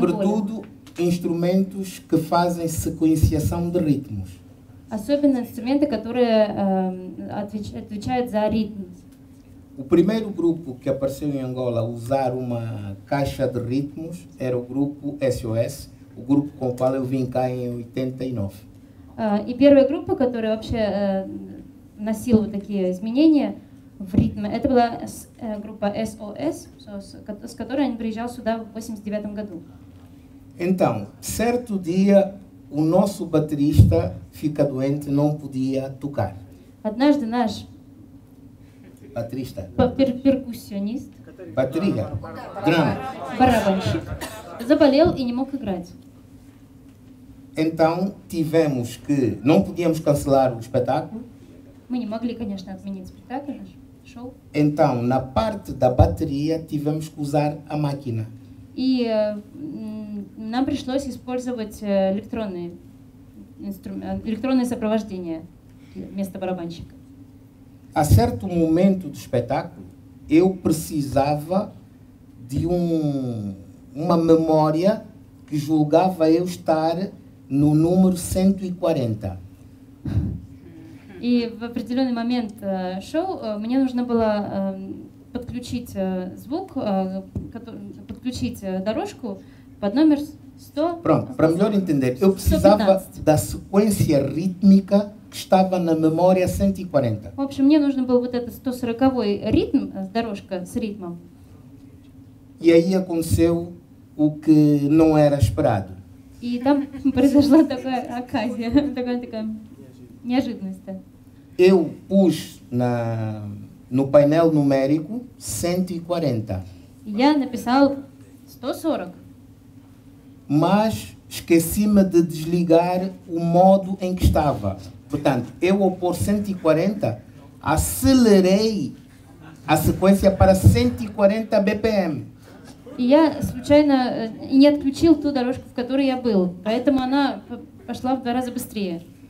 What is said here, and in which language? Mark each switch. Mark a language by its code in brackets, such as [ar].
[pt] Sobretudo instrumentos que fazem sequenciação de ritmos. [ru] Особенно инструменты, которые отвечают за ритм. [pt] O primeiro grupo que apareceu em Angola a usar uma caixa de ritmos era o grupo SOS, o grupo com o qual eu vim cá em 89. E o primeiro grupo que [ru] вообще носил вот такие изменения в ритме, это была группа SOS, с которой они приезжал сюда в 89 году. [pt] Então, certo dia o nosso baterista fica doente, não podia tocar. [ru] Однажды наш Батриста. Перкуссионист. Батрига. Грам. Барабанщик. Заболел и не мог играть. [pt] Então, tivemos que... Não podíamos cancelar o espetáculo. [ru] Мы не могли, конечно, отменить спектакль наш. Шоу. [pt] Então, на parte da bateria, tivemos que usar a máquina. [ru] И нам пришлось использовать электронное сопровождение вместо барабанщика. [pt] A certo momento do espetáculo, eu precisava de uma memória que julgava eu estar no número 140. [ru] E, в определенный момент шоу, мне нужно было подключить звук, подключить дорожку под номер 100. [pt] Pronto, para melhor entender, eu precisava 115. Da sequência rítmica que estava na memória 140. [ru] В общем, мне нужно был вот этот 140-й ритм, дорожка с ритмом. [pt] E aí aconteceu o que não era esperado. [ru] И там произошла такая оказия, такая неожиданность. [pt] Eu pus no painel numérico 140. [ru] Я написал 140. [pt] Mas esqueci-me de desligar o modo em que estava. Portanto, eu ao pôr 140, acelerei a sequência para 140 BPM. [ru] E я случайно не отключил ту дорожку, в которой я был, поэтому она пошла в два раза быстрее.